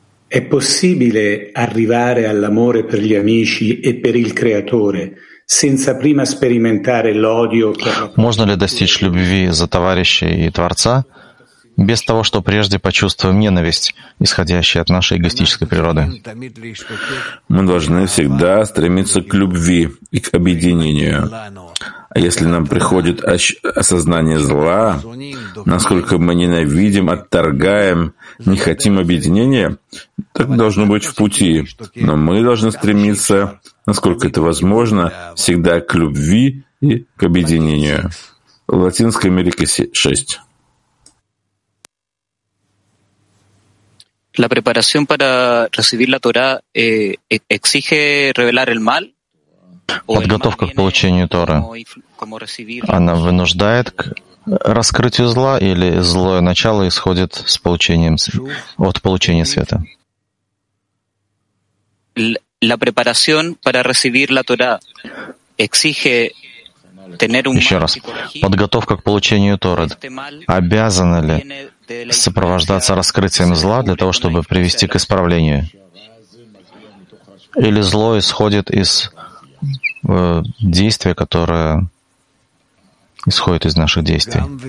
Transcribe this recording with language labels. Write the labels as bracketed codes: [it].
[it] È possibile arrivare all'amore per gli amici e per il creatore senza prima sperimentare l'odio? [ru] Можно ли достичь любви за товарища и Творца без того, что прежде почувствуем ненависть, исходящую от нашей эгоистической природы? Мы должны всегда стремиться к любви и к объединению. А если нам приходит осознание зла, насколько мы ненавидим, отторгаем, не хотим объединения, так должно быть в пути. Но мы должны стремиться, насколько это возможно, всегда к любви и к объединению. Латинская Америка 6. [es] La preparación para recibir la Torá exige revelar el mal. [ru] Подготовка к получению Торы. Она вынуждает к раскрытию зла или злое начало исходит с получением от получения света. [es] La preparación para recibir la Torá exige tener un. [ru] Еще раз. Подготовка к получению Торы. Обязана ли сопровождаться раскрытием зла для того, чтобы привести к исправлению? Или зло исходит из действия, которое исходит из наших действий?